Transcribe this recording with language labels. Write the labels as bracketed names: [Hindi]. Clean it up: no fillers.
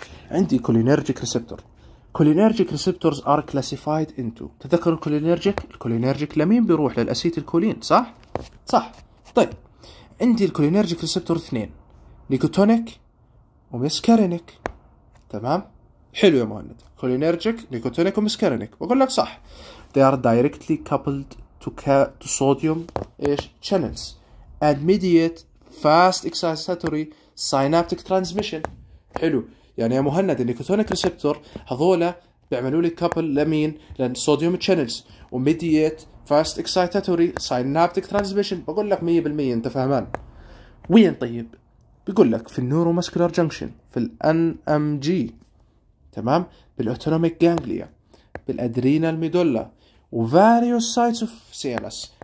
[Arabic] عندي كولينيرجيك ريسبتور. [English] cholinergic receptors are classified into [Arabic] تذكروا الكولينيرجيك. الكولينيرجيك لمين بيروح؟ للاسيتيلكولين صح؟ صح. طيب عندي الكولينيرجيك ريسبتور اثنين نيكوتونيك ومسكارينيك. تمام. حلو يا مهند. كولينيرجيك نيكوتونيك ومسكارينيك بقول لك صح. [English] they are directly coupled to sodium ايش channels and mediate fast excitatory synaptic transmission. [Arabic] حلو. يعني يا مهند النيكوتونيك ريسبتور هذولا بيعملوا لي كابل لمين؟ [English] لصوديوم تشانلز وميديت fast excitatory synaptic transmission, [Arabic] بقول لك 100% انت فهمان. وين طيب؟ بيقول لك في النورو ماسكولار جنكشن، في الان ام جي، تمام، بالاوتونوميك جانجليا، بالادرينال ميدولا، [English] وفاريوس sites of C N S.